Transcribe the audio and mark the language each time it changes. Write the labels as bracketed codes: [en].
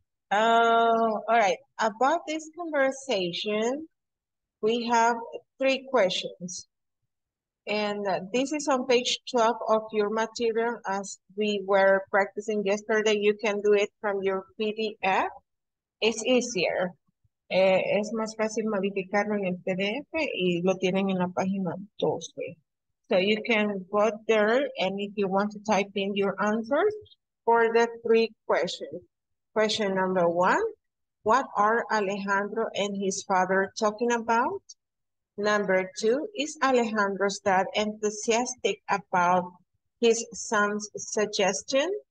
[en] All right. About this conversation, we have three questions. And this is on page 12 of your material. As we were practicing yesterday, you can do it from your PDF. It's easier. [es] Es más fácil modificarlo en el PDF y lo tienen en la página 12. [en] So you can go there, and if you want to type in your answers for the three questions. Question number one, what are Alejandro and his father talking about? Number two, is Alejandro's dad enthusiastic about his son's suggestion?